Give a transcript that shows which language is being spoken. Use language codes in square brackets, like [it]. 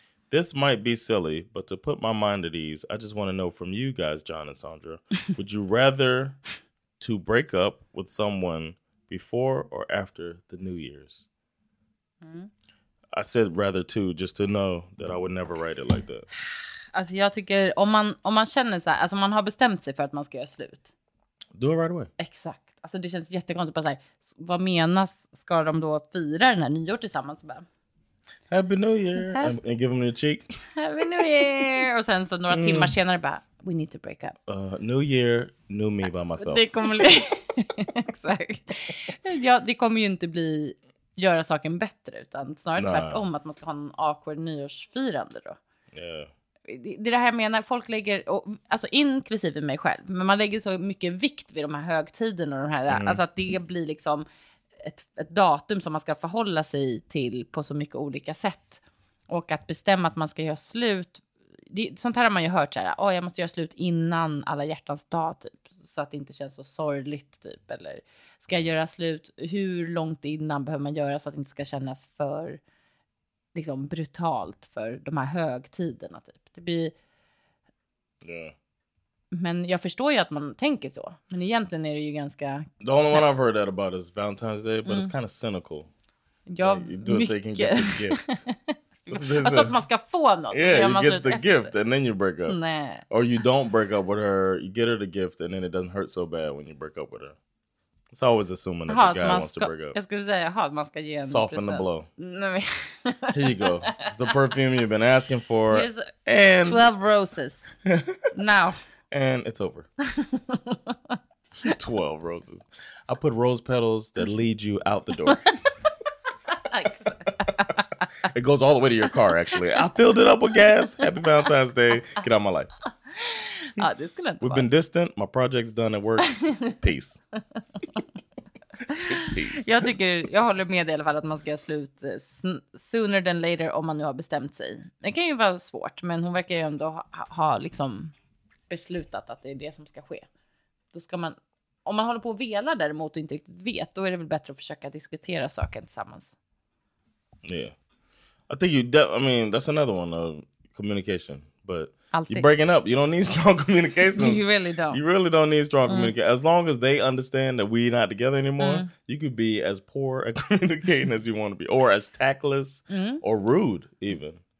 [en] This might be silly, but to put my mind at ease, I just want to know from you guys, John and Sandra, would you rather to break up with someone before or after the New Year's? Mm. I said rather to, just to know that I would never write it like that. [sv] Alltså jag tycker, om man känner så här, alltså man har bestämt sig för att man ska göra slut. [en] Do it right away. [sv] Exakt. Alltså det känns jättekonstigt bara så här, vad menas, ska de då fira den här nyår tillsammans? Bara, [en] Happy New Year. And give them your cheek. [sv] Happy New Year. Och sen så några timmar senare bara, we need to break up. [en] New Year, new me by myself. [sv] Det kommer bli, exakt. Ja, det kommer ju inte bli göra saken bättre, utan snarare tvärtom, att man ska ha en awkward nyårsfirande då. [en] Yeah. [sv] Det är det här jag menar, folk lägger, och, alltså inklusive mig själv, men man lägger så mycket vikt vid de här högtiderna och de här, alltså att det blir liksom ett datum som man ska förhålla sig till på så mycket olika sätt. Och att bestämma att man ska göra slut, det, sånt här har man ju hört så här, jag måste göra slut innan alla hjärtans dag typ, så att det inte känns så sorgligt typ, eller ska jag göra slut, hur långt innan behöver man göra så att det inte ska kännas för liksom brutalt för de här högtiderna typ. Det blir Men jag förstår ju att man tänker så, men egentligen är det ju ganska, [en] the only one I've heard that about is Valentine's Day, but it's kind of cynical. [sv] Ja, like, [en] you do it so you can get the gift. [sv] Alltså att man ska få något. [en] Yeah, you get the gift and then you break up. [sv] Nej. [en] Or you don't break up with her, you get her the gift and then it doesn't hurt so bad when you break up with her. It's always assuming that the guy wants to break up. [sv] Jag skulle säga, att man ska ge en [en] soften present. The blow. [sv] Nej, men [en] here you go. It's the perfume you've been asking for. Here's and 12 roses. Now. And it's over. 12 roses. I put rose petals that lead you out the door. It goes all the way to your car, actually. I filled it up with gas. Happy Valentine's Day. Get out of my life. [sv] Ah, det skulle inte [en] We've [sv] vara. [en] Been distant. My project's done at work. Peace. [sv] Jag tycker, jag håller med i alla fall att man ska göra slut sooner than later om man nu har bestämt sig. Det kan ju vara svårt, men hon verkar ju ändå ha liksom beslutat att det är det som ska ske. Då ska man, om man håller på och velar däremot och inte riktigt vet, då är det väl bättre att försöka diskutera saken tillsammans. Ja. Yeah. [en] I think that's another one of communication, but you're breaking up. You don't need strong communication. You really don't. You really don't need strong communication. As long as they understand that we're not together anymore, you could be as poor at communicating as you want to be, or as tactless or rude even.